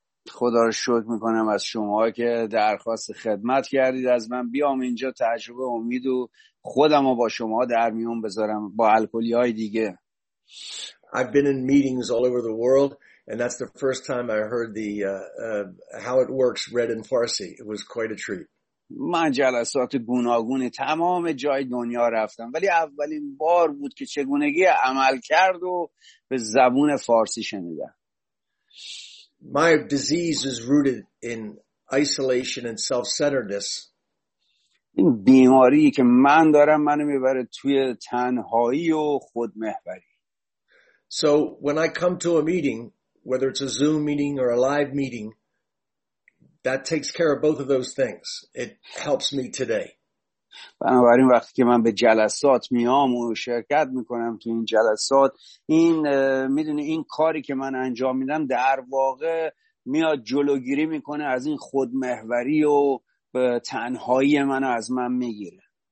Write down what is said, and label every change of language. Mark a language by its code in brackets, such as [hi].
[fa] خدا رو شکر میکنم از شما که درخواست خدمت کردید از من بیام اینجا تجربه امید و خودم رو با شما در میون بذارم با الکلی های دیگه. [en] I've been in meetings all over the world and that's the first time I heard the how it works read in Farsi. It was quite a treat. [fa] من جلسات گوناگون تمام جای دنیا رفتم ولی اولین بار بود که چگونگی عمل کرد و به زبون فارسی شنیدم. [en] My disease is rooted in isolation and self-centeredness. [fa] این بیماری که من دارم منو میبره توی تنهایی و خودمحوری. [en] So when I come to a meeting, whether it's a Zoom meeting or a live meeting, that takes care of both of those things. It helps me today. [fa] بنابراین وقتی که من به جلسات میام و شرکت میکنم تو این جلسات، این میدونی این کاری که من انجام میدم در واقع میاد جلوگیری میکنه از این خودمحوری و تنهایی منو از من میگیره.